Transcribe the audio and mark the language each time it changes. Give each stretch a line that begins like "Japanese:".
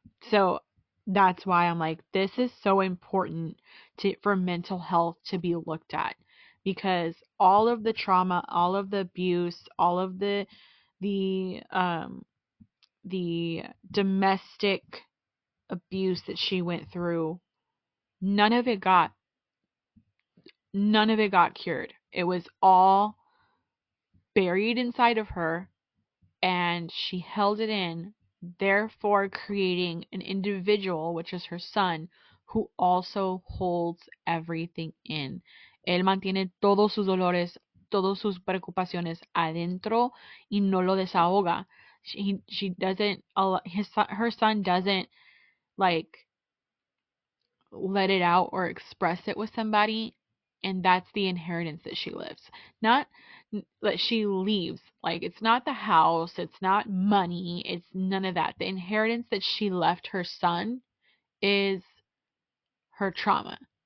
English: So that's why I'm like, this is so important for mental health to be looked at, because all of the trauma, all of the abuse, all of the domestic abuse that she went through, none of it got cured. It was all buried inside of her, and she held it in, therefore creating an individual, which is her son, who also holds everything in.
Spanish: Él mantiene todos sus dolores, todos sus preocupaciones adentro, y no lo desahoga.
English: Her son doesn't, like, let it out or express it with somebody, and that's the inheritance that she lives. Not that she leaves. Like, it's not the house, it's not money, it's none of that. The inheritance that she left her son is her trauma.